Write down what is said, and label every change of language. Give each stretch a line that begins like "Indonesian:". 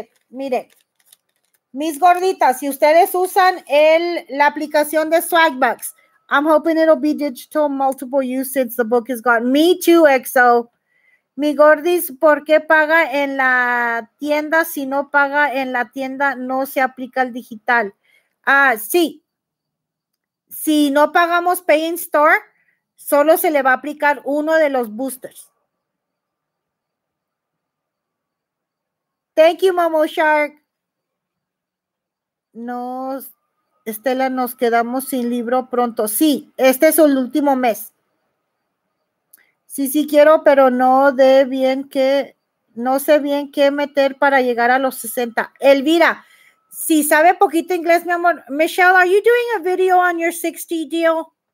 Spanish: Mire, mis gorditas, si ustedes usan la aplicación de Swagbox,
English: I'm hoping it'll be digital multiple use since the book is gone. Me too, XO.
Spanish: Mi Gordis, ¿por qué paga en la tienda? Si no paga en la tienda, no se aplica el digital. Ah, sí. Si no pagamos Pay in Store, solo se le va a aplicar uno de los boosters.
English: Thank you,
Spanish: Momo Shark. Nos, Estela, nos quedamos sin libro pronto. Sí, este es el último mes. Sí, sí quiero, pero no de bien que, no sé bien qué meter para llegar a los 60. Elvira, si sabe poquito inglés, mi amor.
English: Michelle, are you doing a video on your 60 deal?